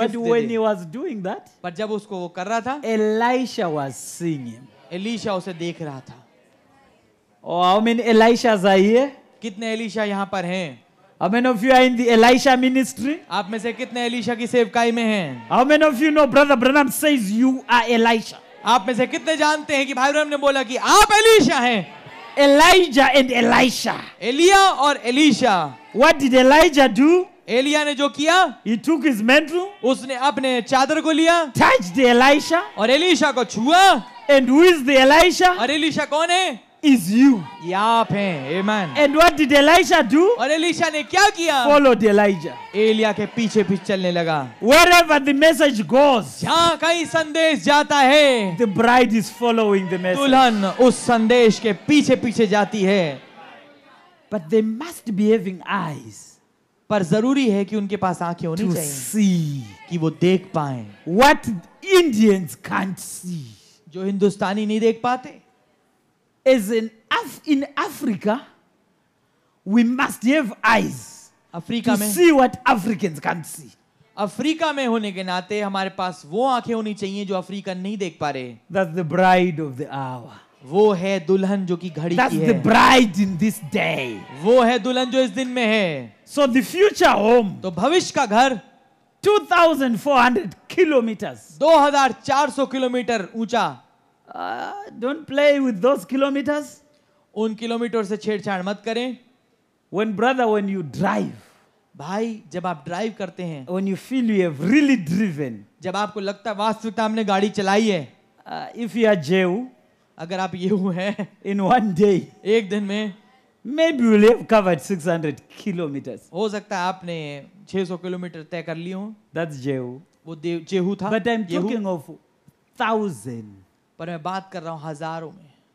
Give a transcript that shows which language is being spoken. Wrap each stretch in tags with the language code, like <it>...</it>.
<hi>दे दे.</hi> <en>But when he was doing that,</en> <hi>पर जब उसको वो कर रहा था,</hi> <en>Elisha was seeing him.</en> <hi>Elisha उसे देख रहा था.</hi> <en>Oh, how many Elishas are here?</en> <hi>कितने एलिशा यहाँ पर हैं?</hi> <en>How many of you are in the Elisha ministry?</en> <hi>आप में से कितने एलिशा की सेवकाई में हैं?</hi> <en>How many of you know Brother Branham says you are Elisha?</en> <hi>आप में से कितने जानते हैं कि भाई ब्रह्म ने बोला कि आप एलिशा हैं?</hi> <en>Elijah and Elisha.</en> <hi>एलिया और Elisha.</hi> <en>What did Elijah do?</en> <hi>Elia ने जो किया,</hi> <en>he took his mantle,</en> <hi>उसने अपने चादर को लिया,</hi> <en>touched the Elisha,</en> <hi>और एलिशा को छुआ.</hi> <en>And who is the Elisha?</en> <hi>और एलिशा कौन है?</hi> <en>Is you.</en> <hi>आप हैं. Amen.</hi> <en>And what did Elisha do?</en> <hi>और एलिशा ने क्या किया?</hi> <en>Followed Elijah.</en> <hi>एलिया के पीछे पीछे चलने लगा.</hi> <en>Wherever the message goes,</en> <hi>जहाँ कहीं संदेश जाता है,</hi> <en>the bride is following the message.</en> <hi>दुल्हन उस संदेश के पीछे पीछे जाती है.</hi> <en>But they must be having eyes.</en> <hi>पर जरूरी है कि उनके पास आंखें होनी चाहिए</hi> <en>see,</en> <hi>कि वो देख पाएं.</hi> <en>What Indians can't see.</en> <hi>जो हिंदुस्तानी नहीं देख पाते.</hi> <en>As in Africa, we must have eyes</en> <hi>Africa में</hi> <en>to see what Africans can't see.</en> <hi>Africa में होने के नाते हमारे पास वो आंखें होनी चाहिए जो अफ्रीका नहीं देख पा रहे.</hi> <en>That's the bride of the hour.</en> <hi>वो है दुल्हन जो कि घड़ी</hi> <en>That's</en> <hi>की है.</hi> <en>That's the bride in this day.</en> <hi>वो है दुल्हन जो इस दिन में है.</hi> <en>So the future home.</en> <hi>तो भविष्य का घर.</hi> <en>2,400 kilometers.</en> <hi>2,400 किलोमीटर ऊंचा.</hi> <en>Don't play with those kilometers.</en> <hi>उन किलोमीटर से छेड़छाड़ मत करें.</hi> <en>When brother, when you drive.</en> <hi>भाई जब आप ड्राइव करते हैं.</hi> <en>When you feel you have really driven.</en> <hi>जब आपको लगता है वास्तविकता हमने गाड़ी चलाई है.</hi> <en>If you are Jehu.</en> <hi>अगर आप यहू हैं.</hi> <en>In one day.</en> <hi>एक दिन में.</hi> <en>Maybe you'll have covered 600 kilometers.</en> <hi>हो सकता है आपने 600 किलोमीटर तय कर लियो.</hi> <en>That's Jehu.</en> <hi>वो जेहू था.</hi> <en>But I'm talking of thousand.</en> <hi>पर मैं बात कर रहा हूं हजारों में.</hi>